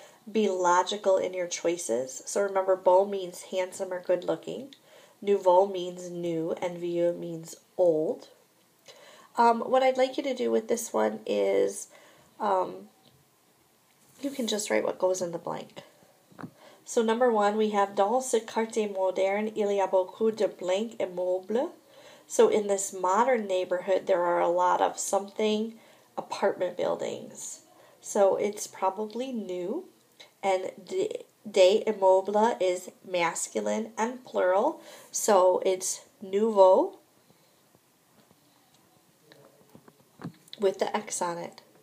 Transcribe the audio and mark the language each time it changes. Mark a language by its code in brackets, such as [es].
[en] Be logical in your choices. So remember, beau means handsome or good-looking. Nouveau means new, and vieux means old. What I'd like you to do with this one is you can just write what goes in the blank. So number 1, we have [fr] dans ce quartier moderne, il y a beaucoup de blanc et meuble. [en] So in this modern neighborhood, there are a lot of something apartment buildings. So it's probably new. And des immeubles is masculine and plural. So it's nouveau with the X on it.